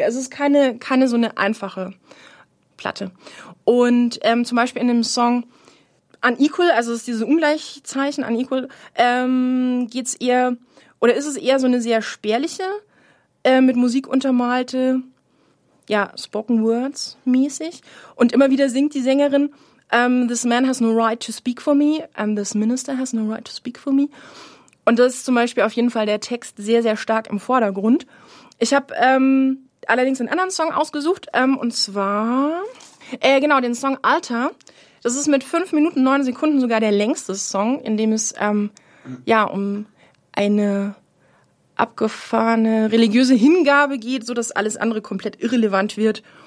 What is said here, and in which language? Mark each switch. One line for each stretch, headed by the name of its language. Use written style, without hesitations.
German: Also es ist keine so eine einfache Platte. Und zum Beispiel in dem Song Unequal, also es ist dieses Ungleichzeichen Unequal, ist es eher so eine sehr spärliche, mit Musik untermalte, ja, Spoken Words mäßig. Und immer wieder singt die Sängerin,
English: this man has no right to speak for me, and this minister has no right to speak for me.
German: Und das ist zum Beispiel auf jeden Fall der Text sehr, sehr stark im Vordergrund. Ich habe allerdings einen anderen Song ausgesucht, und zwar, den Song Alter. Das ist mit 5 Minuten 9 Sekunden sogar der längste Song, in dem es um eine abgefahrene religiöse Hingabe geht, sodass alles andere komplett irrelevant wird.